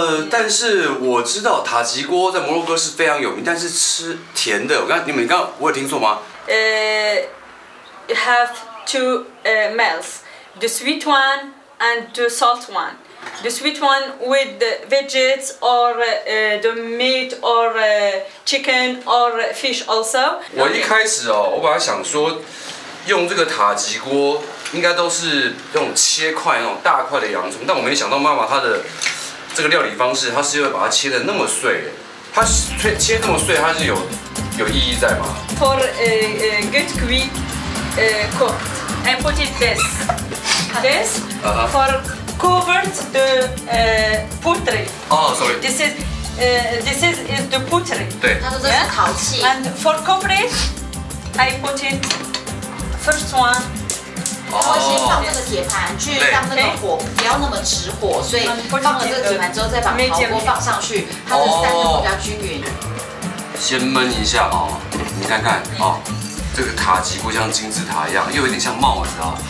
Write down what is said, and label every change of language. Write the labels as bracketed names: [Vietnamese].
[Chinese] 但是我知道塔吉锅在摩洛哥是非常有名，但是吃甜的，你刚刚我有听错吗？ [English] You have two meals, the sweet one and the salt one. The sweet one with the veggies or the meat or chicken or fish also. [Chinese] 我一开始哦，我本来想说用这个塔吉锅应该都是那种切块那种大块的洋葱，但我没想到妈妈她的这个料理方式，她是会把它切得那么碎。它切这么碎，它是有意义在吗 [English] ？For a good quick cook, I put it this. This for covered the poultry. Oh, sorry. This is the poultry. [Chinese] 对，他说这是陶器。 [English] And for complete, I put it first one. [Chinese] 然后先放这个铁盘去让这个火不要那么直火，所以放了这个铁盘之后再把陶锅放上去，它的散热比较均匀。先焖一下啊，你看看啊，这个塔吉锅像金字塔一样，又有点像帽子啊。